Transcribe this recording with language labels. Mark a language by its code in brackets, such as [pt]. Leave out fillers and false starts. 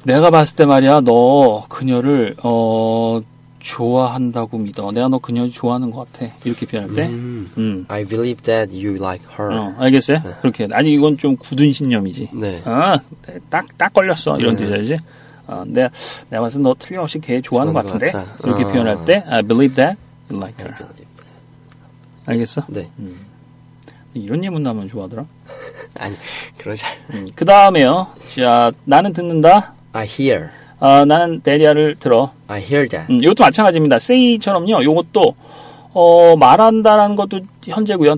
[ko] 내가 봤을 때 말이야, 너 그녀를, 어, 좋아한다고 믿어. 내가 너 그녀를 좋아하는 것 같아. 이렇게 표현할 때. [en] I believe that you like her. [ko] 어, 알겠어요? 네. 그렇게. 아니, 이건 좀 굳은 신념이지. 네. 어, 딱 걸렸어. 이런 뜻이지. 네. 어, 내가 봤을 때 너 틀림없이 걔 좋아하는 것 같은데? 같아. 이렇게 어. 표현할 때, [en] I believe that, you like her. [ko] 알겠어? 네. 이런 예문 나오면 좋아하더라? 아니, 그러지 않아. 그 다음에요. 자, 나는 듣는다. [en] I hear. [ko] 어, 나는 대리아를 들어. [en] I hear that. [ko] 이것도 마찬가지입니다. say처럼요. 이것도, 어, 말한다라는 것도 현재고요.